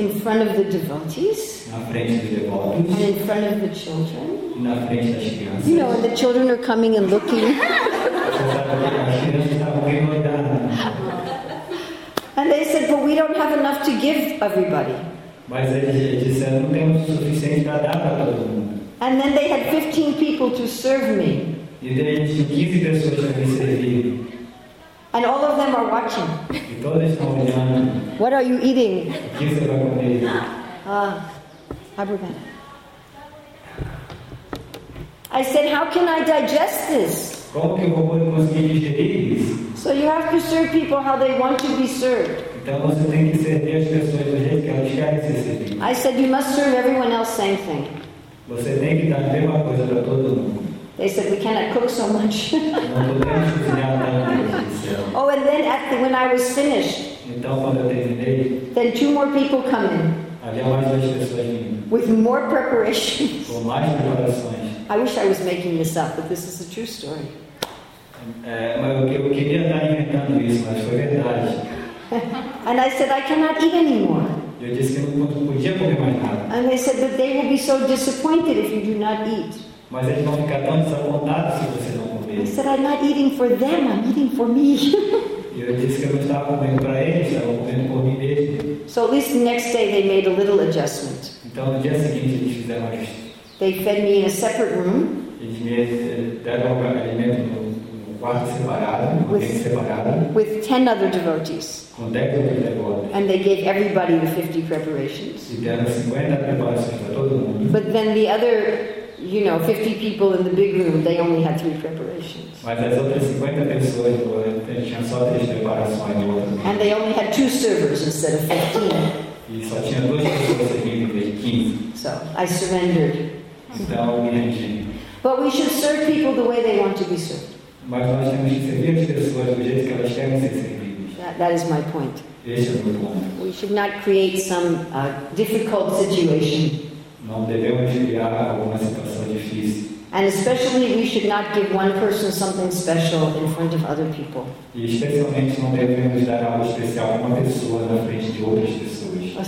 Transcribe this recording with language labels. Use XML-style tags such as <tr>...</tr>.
<en>In front of the devotees.</en> <pt>Na frente dos devotos.</pt> <en>And in front of the children.</en> <pt>E na frente das crianças.</pt> <en>You know, and the children are coming and looking.</en> <pt>As crianças estavam bem olhando.</pt> <en>And they said, but we don't have enough to give everybody.</en> <pt>Mas eles disseram, não temos o suficiente para dar para todo mundo.</pt> <en>And then they had 15 people to serve me.</en> <pt>E daí eles tinham 15 pessoas para me servir.</pt> <en>And all of them are watching.</en> <pt>E todos estão olhando.</pt> <en>What are you eating?</en> <pt>O que você vai comer? Abrupana.</pt> <en>I said, how can I digest this?</en> <pt>Como que eu vou conseguir digerir isso?</pt> <en>So you have to serve people how they want to be served.</en> <pt>Então você tem que servir as pessoas do jeito que elas querem ser servidas.</pt> <en>I said you must serve everyone else same thing.</en> <pt>Você tem que dar a mesma coisa para todo mundo.</pt> <en>They said we cannot cook so much.</en> <pt>Não podemos cozinhar tanto.</pt> <en>Oh, and then after when I was finished.</en> <pt>Então quando eu terminei.</pt> <en>Then 2 more people come in.</en> <pt>Havia mais 2 pessoas vindo.</pt> <en>With more preparations.</en> <pt>Com mais preparações.</pt> <en>I wish I was making this up, but this is a true story.</en> <pt>Eu queria estar inventando isso, mas foi verdade.</pt> <en>And I said, I cannot eat anymore.</en> <pt>Eu disse que não podia comer mais nada.</pt> <en>And they said that they will be so disappointed if you do not eat.</en> <pt>Mas eles vão ficar tão desapontados se você não comer.</pt> <en>I said, I'm not eating for them, I'm eating for me.</en> <pt>Eu disse que eu não estava comendo para eles, estava comendo por mim mesmo.</pt> <en>So at least the next day they made a little adjustment.</en> <pt>Então no dia seguinte eles fizeram um ajuste.</pt> <en>They fed me in a separate room.</en> <pt>Eles me deram alimento num quarto separado,</pt> <en>with 10 other devotees.</en> <pt>Com 10 outros devotos.</pt> <en>And they gave everybody the 50 preparations.</en> <pt>E deram 50 preparações para todo mundo.</pt> <en>But then the other, you know, 50 people in the big room, they only had 3 preparations.</en> <pt>Mas as outras 50 pessoas tinham só 3 preparações.</pt> <en>And they only had 2 servers instead of 15.</en> <pt>E só tinha duas pessoas aqui em vez de 15.</pt> <en>So, I surrendered.</en> <pt>Então, me rendi.</pt> <en>But we should serve people the way they want to be served.</en> <pt>Mas nós temos que servir as pessoas do jeito que elas querem ser servidas.</pt> <en>That is my point.</en> <pt>Esse é o meu ponto.</pt> <en>We should not create some difficult situation.</en> <pt>Não devemos criar alguma situação difícil.</pt> <en>And especially we should not give one person something special in front of other people.</en> <pt>E especialmente não devemos dar algo especial a uma pessoa na frente de outras pessoas.</pt>